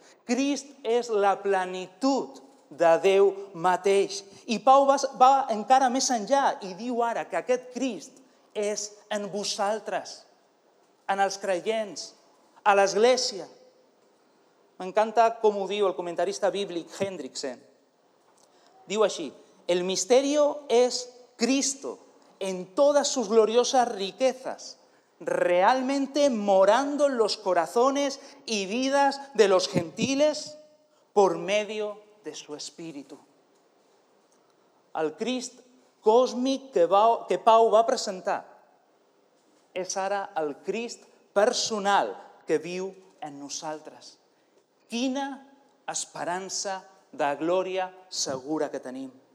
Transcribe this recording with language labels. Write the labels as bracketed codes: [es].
[ca] Crist és la plenitud de Déu mateix. I Pau va encara més enllà i diu ara que aquest Crist és en vosaltres, en els creients, a l'Església. M'encanta com ho diu el comentarista bíblic Hendriksen. Diu així: [es] el misterio es Cristo en todas sus gloriosas riquezas, realmente morando en los corazones y vidas de los gentiles por medio de su Espíritu. [ca] El Crist còsmic que Pau va presentar és ara el Crist personal que viu en nosaltres. Quina esperança de glòria segura que tenim.